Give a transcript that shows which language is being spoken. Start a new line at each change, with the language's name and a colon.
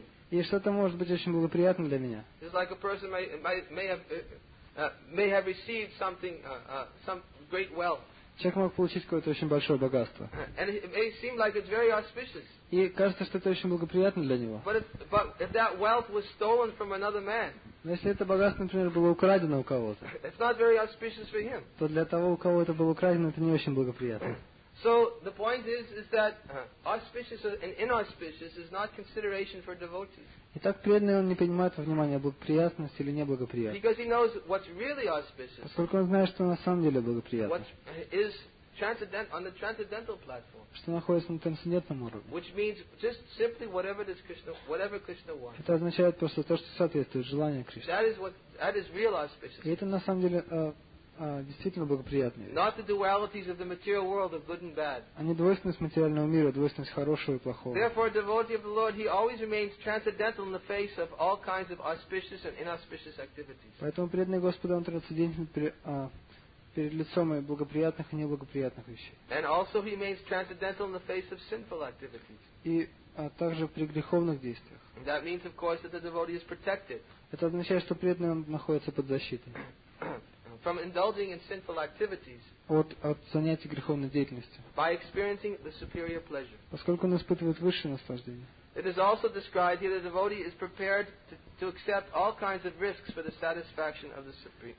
Russian: И что-то может быть очень благоприятно для меня.
English: It's like a person may have received something, some great wealth.
Russian: Человек мог получить какое-то очень большое богатство.
English: And it may seem like it's very auspicious.
Russian: И кажется, что это очень благоприятно для него.
English: But if that wealth was stolen from another man,
Russian: но если это богатство, например, было украдено у кого-то,
English: it's not very auspicious for him.
Russian: То для того, у кого это было украдено, это не очень благоприятно.
English: So the point is that auspicious and inauspicious is not consideration for devotees.
Russian: Итак, преданный он не принимает во внимание благоприятность или неблагоприятность.
English: Because he knows what's really auspicious.
Russian: Поскольку он знает, что на самом деле благоприятно.
English: What is
Russian: что находится на трансцендентном уровне.
English: Which means just simply whatever this Krishna, whatever Krishna wants.
Russian: Это означает просто то, что соответствует желанию Кришны.
English: That is what, that is real auspiciousness.
Russian: И это на самом деле действительно благоприятные.
English: Not the dualities of the material world of good and bad.
Russian: А не двойственность материального мира, двойственность хорошего и плохого.
English: Therefore, a devotee of the Lord, he always remains transcendental in the face of all kinds of auspicious and inauspicious activities.
Russian: Поэтому преданный Господу он трансцендентен перед лицом и благоприятных и неблагоприятных вещей.
English: And also he remains transcendental in the face of sinful activities.
Russian: И также при греховных действиях.
English: That means, of course, that the devotee is protected.
Russian: Это означает, что преданный он находится под защитой.
English: From indulging in sinful activities.
Russian: От занятий греховной деятельностью.
English: By experiencing the superior pleasure.
Russian: Поскольку он испытывает высшее наслаждение.
English: It is also described here that the devotee is prepared to accept all kinds of risks for the satisfaction of the supreme.